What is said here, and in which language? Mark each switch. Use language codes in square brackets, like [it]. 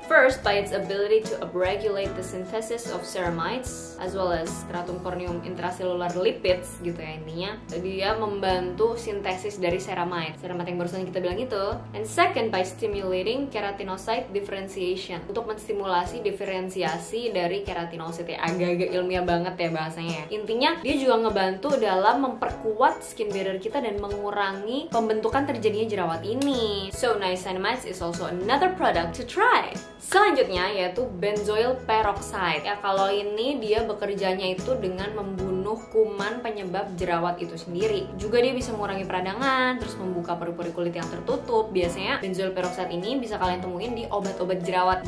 [en] First, by its ability to upregulate the synthesis of ceramides as well as stratum corneum intracellular lipids [id] gitu ya intinya. Dia membantu sintesis dari ceramide. Ceramide yang barusan kita bilang itu. [en] And second, by stimulating keratinocyte differentiation. [id] Untuk menstimulasi diferensiasi dari keratinosit. Ya, agak-agak ilmiah banget ya bahasanya. Intinya, dia juga ngebantu dalam memperkuat skin barrier kita dan mengurangi pembentukan terjadinya jerawat ini. [en] So, niacinamide is also another product to try. [id] Selanjutnya, yaitu benzoyl peroxide. Ya, kalau ini dia bekerjanya itu dengan membunuh kuman penyebab jerawat itu sendiri. Juga dia bisa mengurangi peradangan, terus membuka pori-pori kulit yang tertutup. Biasanya, benzoyl peroxide ini bisa kalian temuin di obat-obat jerawat.